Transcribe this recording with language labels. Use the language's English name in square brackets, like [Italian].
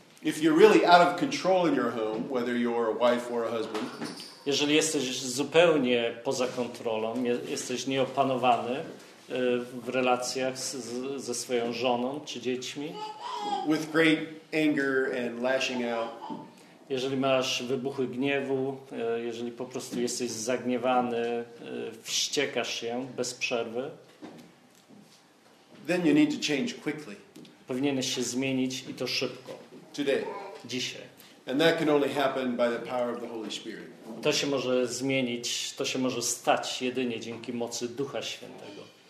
[English] If you're really out of control in your home, whether you're a wife or a husband, [Polish] jeżeli jesteś zupełnie poza kontrolą, jesteś nieopanowany w relacjach ze swoją żoną czy dziećmi, [English] with great anger and lashing out, [Polish] jeżeli masz wybuchy gniewu, jeżeli po prostu jesteś zagniewany, wściekasz się bez przerwy, [English] then you need to change quickly. [Polish] Powinieneś się zmienić i to szybko. [English] Today. [Polish] Dzisiaj. [English] And that can only happen by the power of the Holy Spirit. [Polish] To się może zmienić, to się może stać jedynie dzięki mocy Ducha Świętego.